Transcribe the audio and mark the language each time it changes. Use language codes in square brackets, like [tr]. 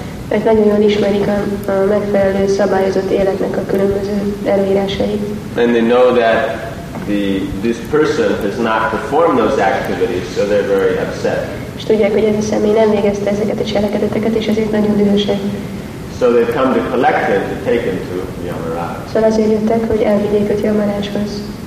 [hu] Mert nagyon jól ismerik a megfelelő szabályozott életnek a különböző előírásait. [en] And they know that this person has not performed those activities, so they're very upset. [hu] És tudják, hogy ez a személy nem végezte ezeket a cselekedeteket, és ezért nagyon dühösek. [en] So they've come to collect him to take him to Yamaraj. [hu] Szóval azért jöttek, hogy elvigyék őt Yamarajhoz.